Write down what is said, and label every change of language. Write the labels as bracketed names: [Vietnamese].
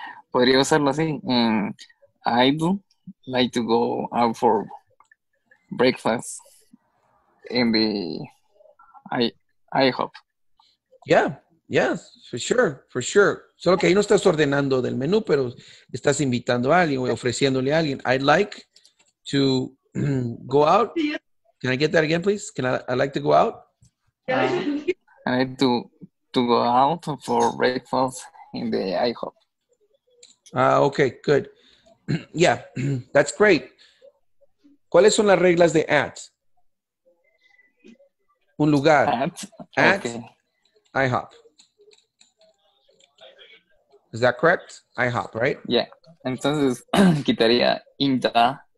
[Spanish] Podría usarlo así. [English] I'd like to go out for breakfast in the IHOP. Yeah, yes, for sure, for sure. [Spanish] Solo que ahí no estás ordenando del menú, pero estás invitando a alguien o ofreciéndole a alguien. [English] I'd like to go out. Can I get that again, please? I'd like to go out. I need to go out for breakfast in the IHOP. Okay, good. Yeah, that's great. [Spanish] ¿Cuáles son las reglas de at? Un lugar. [English] At okay. IHOP. Is that correct? IHOP, right? Yeah. [Spanish] Entonces, quitaría [English] in the.